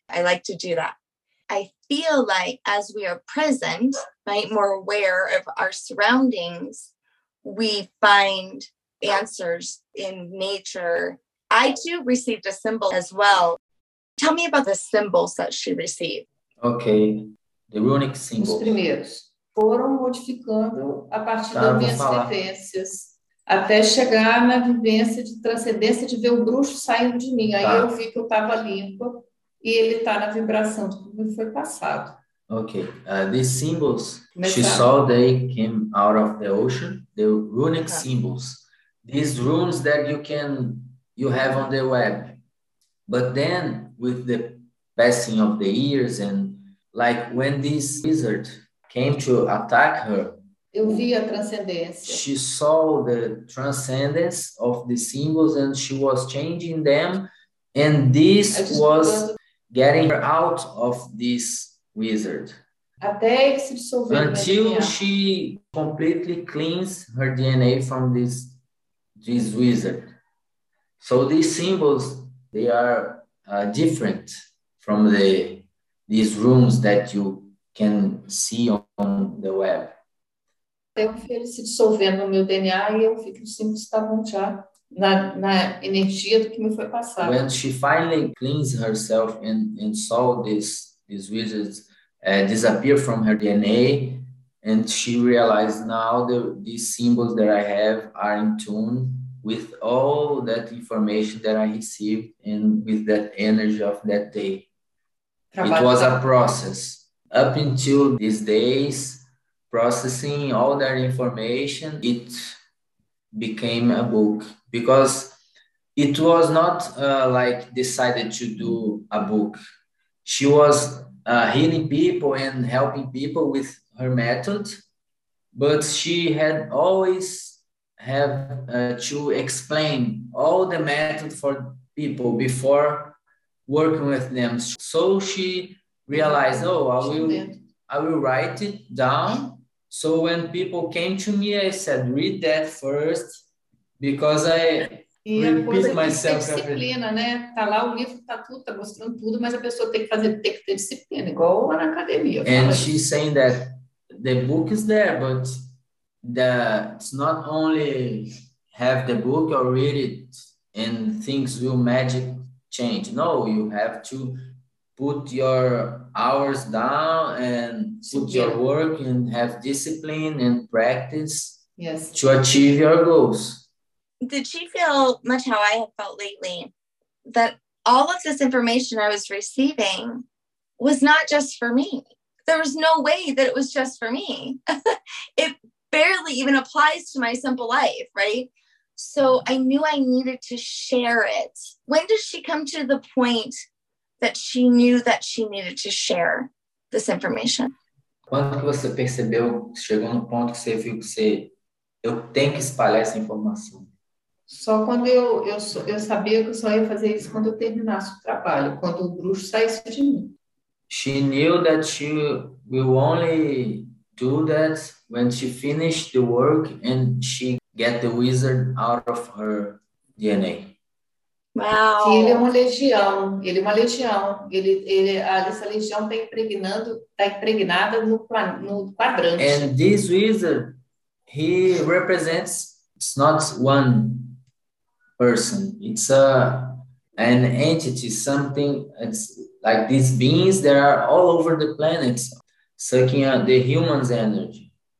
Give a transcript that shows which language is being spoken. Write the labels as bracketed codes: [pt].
[en] I like to do that. I feel like as we are present, right, more aware of our surroundings, we find answers in nature. I too received a symbol as well. Tell me about the symbols that she received. Okay, the runic symbols. [pt] Os primeiros foram modificando a partir das minhas vivências, até chegar na vivência de transcendência, de ver o bruxo saindo de mim. Aí eu vi que eu estava limpa. E ele está na vibração do que foi passado. [en] Okay. These symbols, she saw they came out of the ocean, the runic symbols. These runes that you have on the web. But then, with the passing of the years, and like when this wizard came to attack her, [pt] eu vi a transcendência. [en] She saw the transcendence of the symbols, and she was changing them. And this was getting her out of this wizard. [pt] Até ele se dissolver. [en] Until she completely cleans her DNA from this wizard. So these symbols, they are different from these runes that you can see on the web. [pt] Até eu vi ele se dissolvendo no meu DNA e eu vi que os símbolos estavam já. Na energia do que me foi passado. [en] When she finally cleans herself and saw these wizards disappear from her DNA, and she realized now these symbols that I have are in tune with all that information that I received and with that energy of that day. It was a process. Up until these days, processing all that information, it became a book. Because it was not like decided to do a book. She was healing people and helping people with her method. But she had always have to explain all the method for people before working with them. So she realized, I will write it down. So when people came to me, I said, read that first. Because I repeat myself. [pt] E a disciplina, né? Tá lá o livro, tá tudo, tá mostrando tudo, mas a pessoa tem que ter disciplina, igual na academia. [en] And she's saying that the book is there, but it's not only have the book or read it and things will magic change. No, you have to put your hours down and put your work and have discipline and practice to achieve your goals. Did she feel much how I have felt lately, that all of this information I was receiving was not just for me? There was no way that it was just for me. It barely even applies to my simple life, right? So I knew I needed to share it. When does she come to the point that she knew that she needed to share this information? [pt] Quando você percebeu, chegou no ponto que você viu que você, eu tenho que espalhar essa informação. Só quando eu sabia que eu só ia fazer isso quando eu terminasse o trabalho, quando o bruxo saísse de mim. [en] She knew that she will only do that when she finished the work and she get the wizard out of her DNA. Wow. [pt] Que ele é uma legião. Ele é uma legião. Essa legião está impregnando, está impregnada no quadrante. [en] And this wizard, he represents, it's not one person. It's an entity, something. It's like these beings that are all over the planet, sucking out the human's energy.